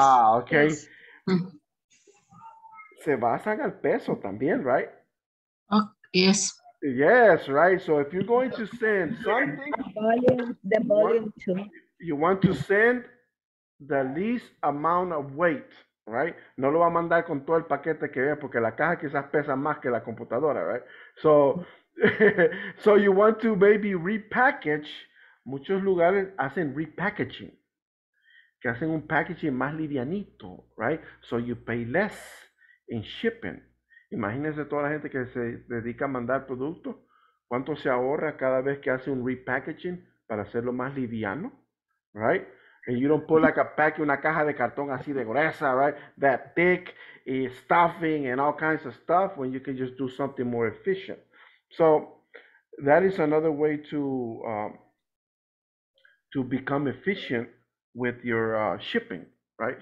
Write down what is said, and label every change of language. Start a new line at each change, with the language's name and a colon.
English: Ah, okay. Yes.
Spanish: Se basan al peso también, right?
English: Yes. Yes, right. So if you're going to send something, the volume too. You want to send the least amount of weight, right?
Spanish: No lo va a mandar con todo el paquete que vea porque la caja quizás pesa más que la computadora, right?
English: So, so you want to maybe repackage.
Spanish: Muchos lugares hacen repackaging, que hacen un packaging más livianito, right? So you pay less in shipping. Imagínense toda la gente que se dedica a mandar productos, ¿cuánto se ahorra cada vez que hace un repackaging para hacerlo más liviano, right?
English: And you don't put like a pack, una caja de cartón así de gruesa, right? That thick, stuffing and all kinds of stuff when you can just do something more efficient. So that is another way to become efficient with your shipping, right?